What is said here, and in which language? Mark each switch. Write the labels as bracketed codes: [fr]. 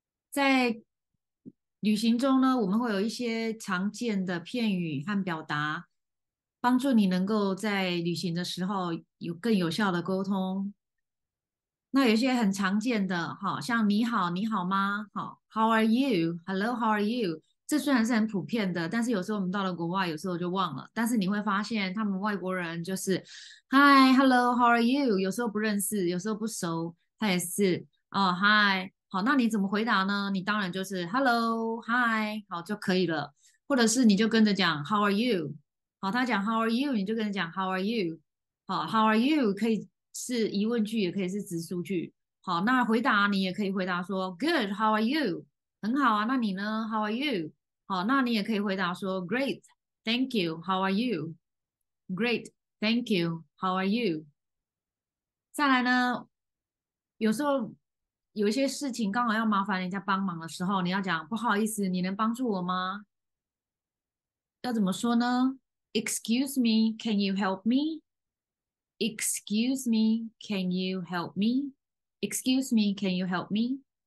[zh] 在旅行中呢，我们会有一些常见的片语和表达，帮助你能够在旅行的时候有更有效的沟通。那有一些很常见的，好像你好，你好吗？好， [en] How are you？Hello，How are you？ [zh] 这虽然是很普遍的，但是有时候我们到了国外，有时候就忘了。但是你会发现，他们外国人就是 [en] Hi, hello, how are you？ [zh] 有时候不认识，有时候不熟，他也是哦 Hi。好，那你怎么回答呢？你当然就是 [en] Hello, hi， [zh] 好就可以了。或者是你就跟着讲 [en] How are you？ [zh] 好，他讲 [en] How are you， [zh] 你就跟着讲 [en] How are you？好，How are you？ [zh] 可以是疑问句，也可以是直述句。好，那回答你也可以回答说 [en] Good, how are you？ [zh] 很好啊，那你呢？ [en] How are you？ [zh] 好，那你也可以回答说 [en] Great，Thank you，How are you？Great，Thank you，How are you？ [zh] 再来呢，有时候有一些事情刚好要麻烦人家帮忙的时候，你要讲不好意思，你能帮助我吗？要怎么说呢？ [en] Excuse me，Can you help me？Excuse me，Can you help me？Excuse me，Can you help me？